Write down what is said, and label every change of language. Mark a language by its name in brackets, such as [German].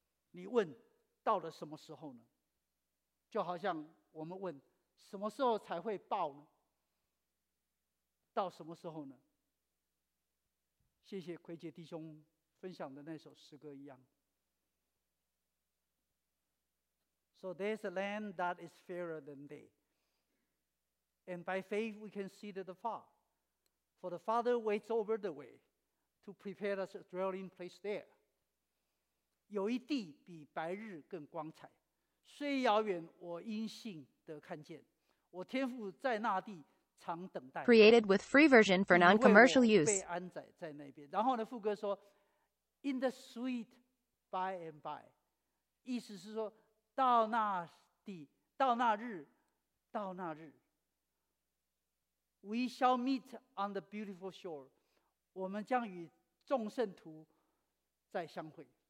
[Chinese] 你问到了什么时候呢？就好像我们问什么时候才会报呢？到什么时候呢？谢谢奎杰弟兄分享的那首诗歌一样。 [English] So there's a land that is fairer than day, and by faith we can see that afar, for the Father waits over the way to prepare us a dwelling place there. [Chinese] 有一地比白日更光彩，虽遥远，我因信得看见，我天父在那地常等待。 Created with free version for non-commercial use. 被安载在那边。然后呢，副歌说 ， [English] In the sweet by and by， [Chinese] 意思是说，到那地，到那日，到那日 ， [English] We shall meet on the beautiful shore， [Chinese] 我们将与众圣徒再相会。